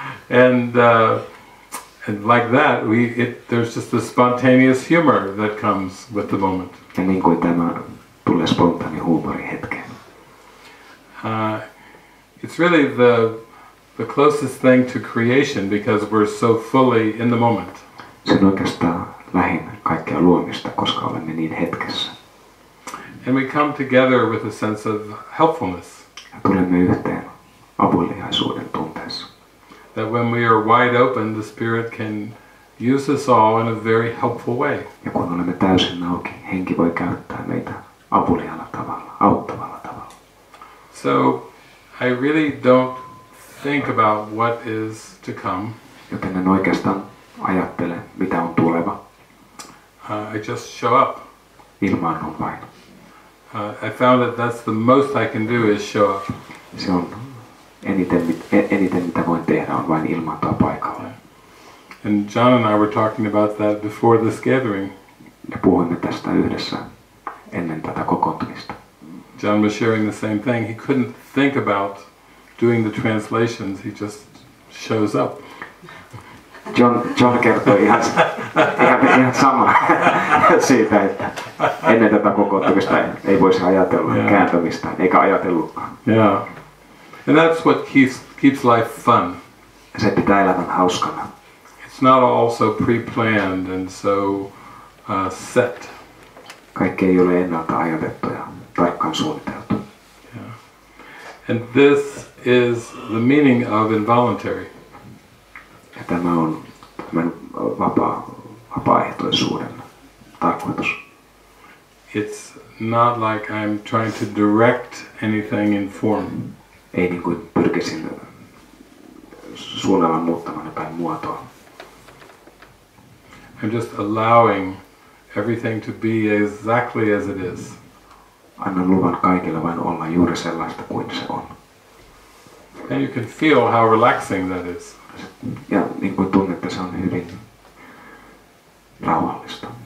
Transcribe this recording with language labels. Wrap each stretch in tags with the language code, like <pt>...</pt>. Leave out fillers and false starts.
<en>And like that, there's just the spontaneous humor that comes with the moment.</en> <fi>Ja niin kuin tämä tulee spontaani huumori hetkeen.</fi> <en>It's really the closest thing to creation because we're so fully in the moment.</en> <fi>Se on oikeastaan lähin kaikkea luomista, koska olemme niin hetkessä.</fi> <en>And we come together with a sense of helpfulness.</en> <fi>Ja tulemme yhteen avuliaisuuden tunteessa.</fi> <en>That when we are wide open, the Spirit can use us all in a very helpful way.</en> <fi>Ja kun olemme täysin auki, Henki voi käyttää meitä avuliaalla tavalla, auttavalla tavalla.</fi> <en>So, I really don't think about what is to come.</en> <fi>Joten en oikeastaan ajattele, mitä on tuleva.</fi> <en>I just show up.</en> <fi>Ilmaannun vain.</fi> <en>I found that that's the most I can do is show up.</en> <fi>Se on eniten mitä voin tehdä on vain ilmaantua paikalle.</fi> <en>And John and I were talking about that before this gathering.</en> <fi>Ja puhuimme tästä yhdessä ennen tätä kokoontumista.</fi> <en>John was sharing the same thing. He couldn't think about doing the translations. He just shows up.</en> <fi>John kertoi ihan samaa siitä, että ennen tätä kokoontumista ei voisi ajatella kääntämistä, eikä ajatellutkaan. Yeah.</fi> <en>And that's what keeps life fun.</en> <fi>Se pitää elämän hauskana.</fi> <en>It's not all so preplanned and so set.</en> <fi>Kaikki ei ole ennalta ajatettu ja tarkkaan suunniteltu. Yeah.</fi> <en>And this is the meaning of involuntary.</en> <fi>Ja tämä on tämän vapaaehtoisuuden tarkoitus.</fi> <en>It's not like I'm trying to direct anything in form.</en> <fi>Ei niin kuin pyrkisin suunnalla muuttamaan jotain muotoa.</fi> <en>I'm just allowing everything to be exactly as it is.</en> <fi>Annan luvan kaikille vain olla juuri sellaista kuin se on.</fi> <en>And you can feel how relaxing that is.</en> <fi>Ja niin kuin tunnet, että se on hyvin rauhallista.</fi>